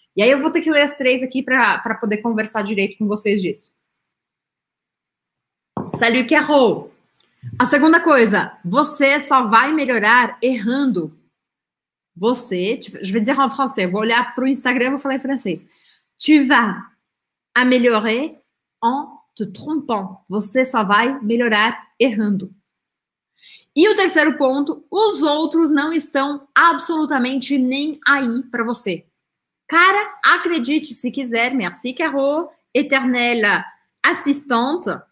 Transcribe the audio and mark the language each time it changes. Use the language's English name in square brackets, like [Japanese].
[Portuguese] E aí eu vou ter que ler as 3 aqui para poder conversar direito com vocês disso. [French] Salut, Carol. [Portuguese] A segunda coisa, você só vai melhorar errando. Você, [French] je vais dire en français, [Portuguese] vou olhar para o Instagram e vou falar em francês. [French] Tu vas améliorer en te trompant. [Portuguese] Você só vai melhorar errando. E o terceiro ponto, os outros não estão absolutamente nem aí para você. Cara, acredite se quiser, [French] merci Carol, eternelle assistante.